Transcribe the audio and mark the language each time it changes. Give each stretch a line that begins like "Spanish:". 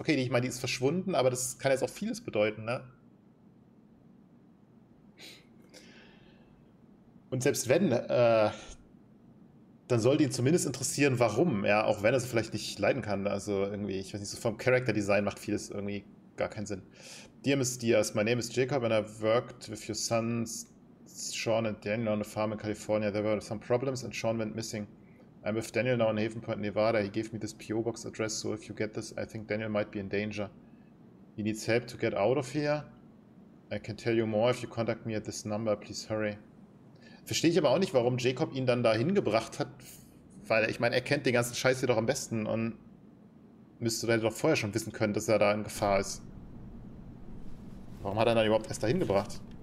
German: Okay, ich meine, die ist verschwunden, aber das kann jetzt auch vieles bedeuten, ne? Und selbst wenn, dann sollte ihn zumindest interessieren, warum, ja, auch wenn er sie vielleicht nicht leiden kann. Also irgendwie, ich weiß nicht, so vom Character Design macht vieles irgendwie gar keinen Sinn.
English: Dear Miss Diaz, my name is Jacob and I worked with your sons, Sean and Daniel on a farm in California. There were some problems and Sean went missing. I'm with Daniel now in Haven Point, Nevada. He gave me this P.O. box address, so if you get this, I think Daniel might be in danger. He needs help to get out of here. I can tell you more if you contact me at this number. Please hurry.
German: Verstehe ich aber auch nicht, warum Jacob ihn dann da hingebracht hat, weil ich meine, er kennt den ganzen Scheiß hier doch am besten und müsste dann doch vorher schon wissen können, dass er da in Gefahr ist. Warum hat er dann überhaupt erst da hingebracht?